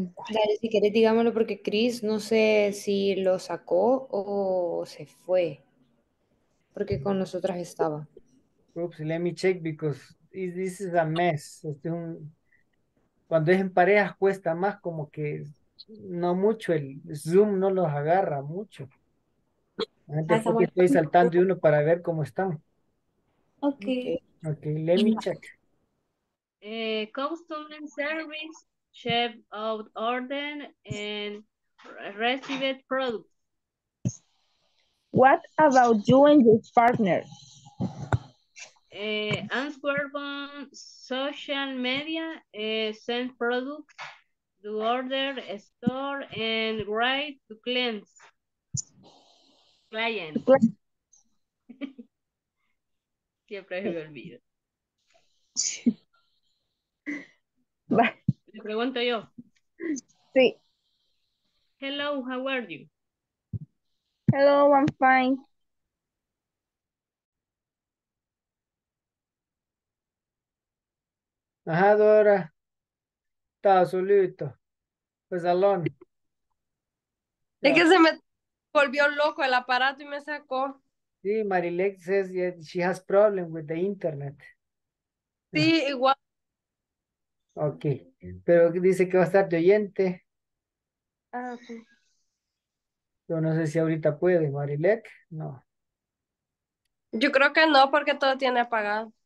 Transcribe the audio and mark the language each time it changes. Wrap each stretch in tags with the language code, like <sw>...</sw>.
<es>Dale, si quieres, digámoslo porque Chris no sé si lo sacó o se fue. Porque con nosotras estaba.</es> <en>Oops, let me check because this is a mess.</en> <es>Este es un... Cuando es en parejas cuesta más como que... No mucho, el Zoom no los agarra mucho. Antes porque estoy saltando uno para ver cómo están.</es> <en>Okay. Okay, let me check. Customer service, chef of order, and received products. What about you and your partner? Answer on social media, send products. To order, store, and write to clients. Client.</en> <es>Siempre se me olvida.</es> <en>Bye.</en> <es>Le pregunto yo. Sí.</es> <en>Hello, how are you? Hello, I'm fine.</en> <es>Ajá, Dora. Está solito. Pues alone. Es yeah. Que se me volvió loco el aparato y me sacó.</es> <en>Sí, Marilex says she has problem with the internet.</en> <es>Sí, igual. Ok, pero dice que va a estar de oyente.</es> <en>Ah, okay.</en> <es>Yo no sé si ahorita puede, Marilex, no. Yo creo que no, porque todo tiene apagado.</es>